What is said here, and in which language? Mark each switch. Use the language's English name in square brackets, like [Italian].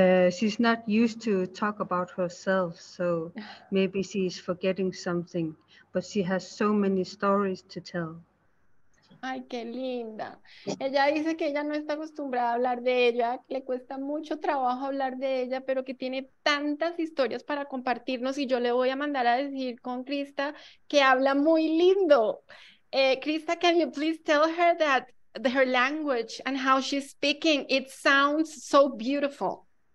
[English] She's not used to talk about herself, so maybe she's forgetting something, but she has so many stories to tell. [Spanish] Ay, qué linda. Ella dice que ella no está acostumbrada a hablar de ella, que le cuesta mucho trabajo hablar de ella, pero que tiene tantas historias para compartirnos y yo le voy a mandar a decir con Krista que habla muy lindo. [English] Krista, can you please tell her that her language and how she's speaking, it sounds so beautiful.